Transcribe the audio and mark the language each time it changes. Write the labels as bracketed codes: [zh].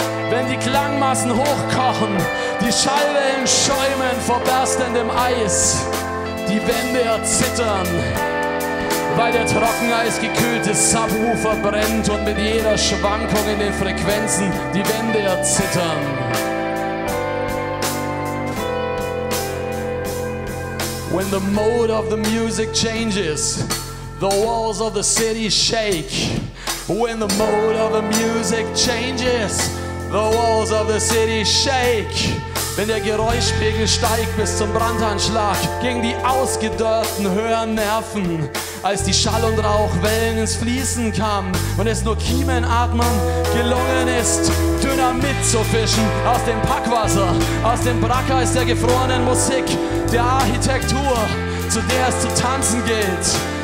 [de] Wenn die Klangmassen hochkochen, die Schallwellen schäumen vor berstendem Eis, die Wände erzittern, weil der trockeneis gekühlte Subwoofer brennt und mit jeder Schwankung in den Frequenzen die Wände erzittern. [en] When the mode of the music changes, the walls of the city shake. When the mode of the music changes, the walls of the city shake. [de] Wenn der Geräuschpegel steigt bis zum Brandanschlag gegen die ausgedörrten Hörnerven, als die Schall- und Rauchwellen ins Fließen kamen und es nur Kiemenatmen gelungen ist, Dynamit zu fischen aus dem Packwasser, aus dem Brackeis der gefrorenen Musik, der Architektur, zu der es zu tanzen gilt.